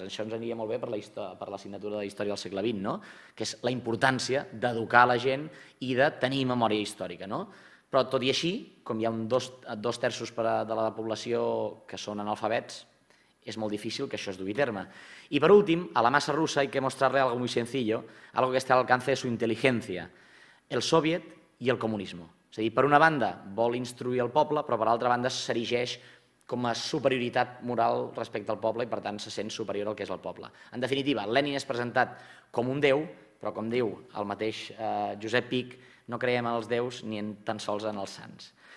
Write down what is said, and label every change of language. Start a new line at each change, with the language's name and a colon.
Catalan: Això ens aniria molt bé per l'assignatura de la història del segle XX, no? Que és la importància d'educar la gent i de tenir memòria històrica. No? Però tot i així, com hi ha dos terços de la població que són analfabets, és molt difícil que això es dugui a terme. I per últim, a la massa russa
Spanish: hay que mostrarle algo muy sencillo, algo que esté al alcance de su inteligencia,
Catalan: el soviet i el comunisme. És a dir, per una banda vol instruir el poble, però per altra banda s'erigeix com a superioritat moral respecte al poble i per tant se sent superior al que és el poble. En definitiva, Lenin és presentat com un déu, però com diu el mateix Josep Pic, no creiem en els déus ni tan sols en els sants.